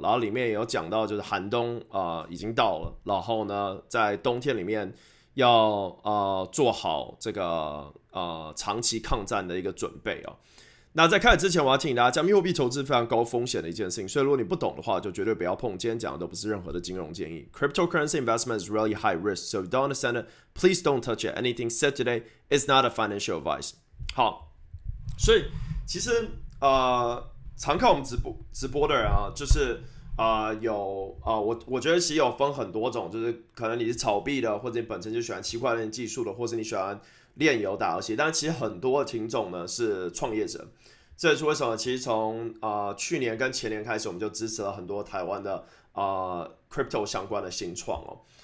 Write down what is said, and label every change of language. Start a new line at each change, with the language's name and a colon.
Chinese: 然后里面也有讲到，就是寒冬已经到了，然后呢，在冬天里面要做好这个长期抗战的一个准备哦。那在开始之前，我要提醒大家，加密货币投资非常高风险的一件事情，所以如果你不懂的话，就绝对不要碰。今天讲的都不是任何的金融建议。
English: Cryptocurrency investment is really high risk, so if you don't understand it, please don't touch it. Anything said today is not a financial advice.
Chinese: 好，所以其实常看我们直播的人啊，就是我觉得其实有分很多种，就是可能你是炒币的，或者你本身就喜欢区块链技术的，或者你喜欢炼油打游戏，但其实很多的听众呢是创业者，这也是为什么其实从去年跟前年开始，我们就支持了很多台湾的crypto 相关的新创哦。